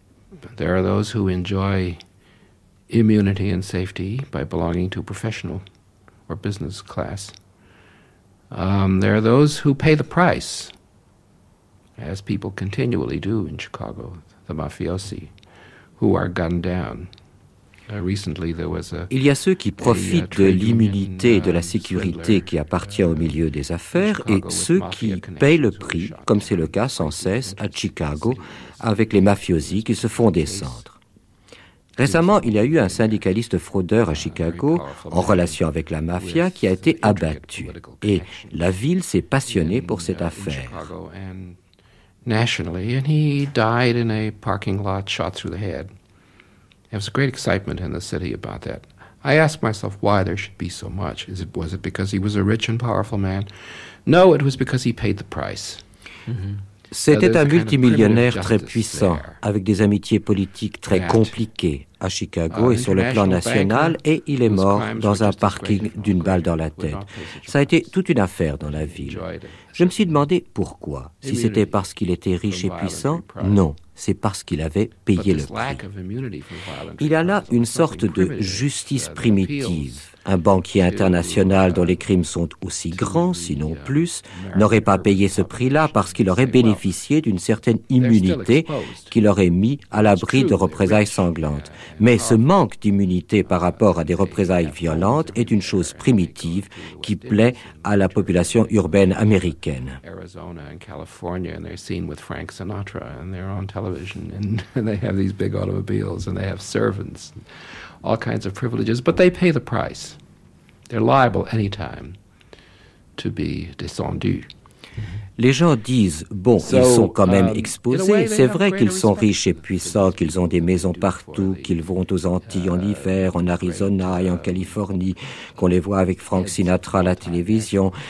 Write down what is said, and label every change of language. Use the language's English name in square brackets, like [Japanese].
[English] But there are those who enjoy immunity and safety by belonging to a professional or business class. There are those who pay the price, as people continually do in Chicago, the mafiosi, who are gunned down. Recently, there was a, [French] il y a ceux qui profitent de l'immunité et de la sécurité qui appartient au milieu des affaires et ceux qui payent le prix, comme c'est le cas sans cesse à Chicago, avec les mafiosi qui se font descendre. Récemment, il y a eu un syndicaliste fraudeur à Chicago, en relation avec la mafia, qui a été abattu. Et la ville s'est passionnée pour cette affaire. [English] Nationally, and he died in a parking lot, shot through the head. There was a great excitement in the city about that. I asked myself why there should be so much. Was it because he was a rich and powerful man? No, it was because he paid the price. [French] C'était un multimillionnaire très puissant, avec des amitiés politiques très compliquées à Chicago et sur le plan national, et il est mort dans un parking d'une balle dans la tête. Ça a été toute une affaire dans la ville. Je me suis demandé pourquoi. Si c'était parce qu'il était riche et puissant, non, c'est parce qu'il avait payé le prix. Il y a là une sorte de justice primitive. Un banquier international dont les crimes sont aussi grands, sinon plus, n'aurait pas payé ce prix-là parce qu'il aurait bénéficié d'une certaine immunité qu'il aurait mis à l'abri de représailles sanglantes. Mais ce manque d'immunité par rapport à des représailles violentes est une chose primitive qui plaît à la population urbaine américaine. [English] Arizona and California, and they're seen with Frank Sinatra, and they're on television, and they have these big automobiles, and they have servants. All kinds of privileges, but they pay the price. They're liable any time to be descendu. [French] Les gens disent, bon, ils sont quand même exposés. C'est vrai qu'ils sont riches et puissants, qu'ils ont des maisons partout, qu'ils vont aux Antilles en hiver, en Arizona et en Californie, qu'on les voit avec Frank Sinatra à la télévision.